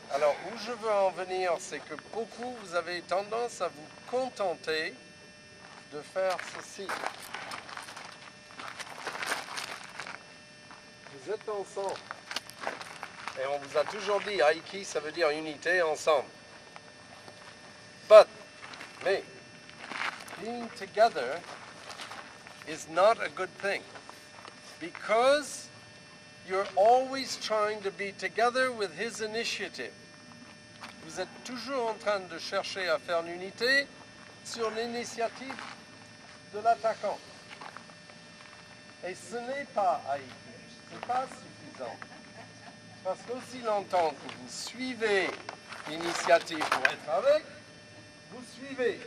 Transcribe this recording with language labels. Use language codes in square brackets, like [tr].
[fr] Alors, où je veux en venir, c'est que beaucoup, vous avez tendance à vous contenter de faire ceci. Vous êtes ensemble. Et on vous a toujours dit, Aiki, ça veut dire unité, ensemble. Mais, [en] being together is not a good thing. Because you're always trying to be together with his initiative. [fr] Vous êtes toujours en train de chercher à faire l'unité sur l'initiative de l'attaquant. Et ce n'est pas Aiki. Ce n'est pas suffisant. Parce qu'aussi longtemps que vous suivez l'initiative pour être avec, vous suivez.